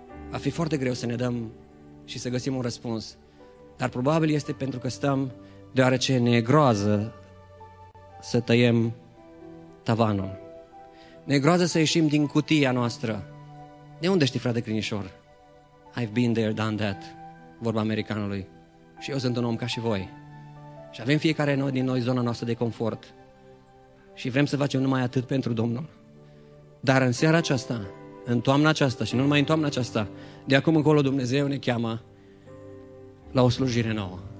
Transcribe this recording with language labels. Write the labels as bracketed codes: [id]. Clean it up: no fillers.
[ro] Va fi foarte greu să ne dăm și să găsim un răspuns, dar probabil este pentru că stăm deoarece ne e groază să tăiem tavanul. Ne e groază să ieșim din cutia noastră. De unde știi, frate Crinișor? [en] I've been there, done that, [ro] vorba americanului. Și eu sunt un om ca și voi. Și avem fiecare din noi zona noastră de confort și vrem să facem numai atât pentru Domnul. Dar în seara aceasta, în toamna aceasta și nu numai în toamna aceasta, de acum încolo Dumnezeu ne cheamă la o slujire nouă.